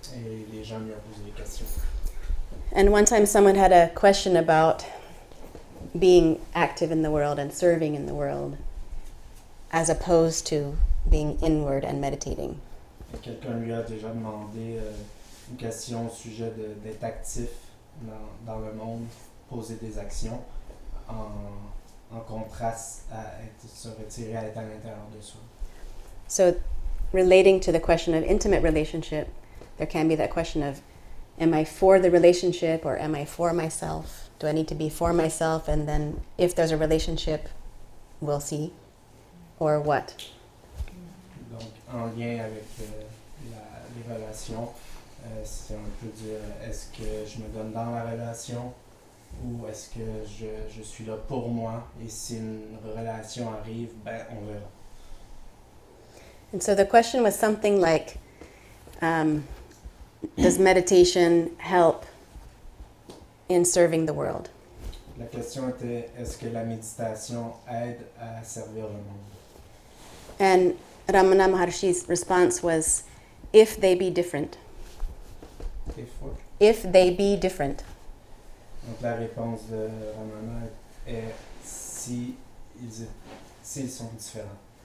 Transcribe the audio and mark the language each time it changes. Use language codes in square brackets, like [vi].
[fr] Et les gens lui ont posé des questions. [en] And one time someone had a question about being active in the world and serving in the world as opposed to being inward and meditating. [fr] Et quelqu'un lui a déjà demandé une question au sujet d'être actif dans le monde, poser des actions en contraste à se retirer, à être à l'intérieur de soi. [en] So, relating to the question of intimate relationship, there can be that question of, am I for the relationship or am I for myself? Do I need to be for myself? And then if there's a relationship, we'll see. Or what? [fr] Donc, en lien avec les relations, si on peut dire, est-ce que je me donne dans la relation ou est-ce que je suis là pour moi? Et si une relation arrive, ben, on verra. [en] And so the question was something like, does meditation help in serving the world? [fr] La question était, est-ce que la méditation aide à servir le monde? [en] And Ramana Maharshi's response was, if they be different. If what? If they be different. [fr] Donc la réponse de Ramana est, s'ils sont différents.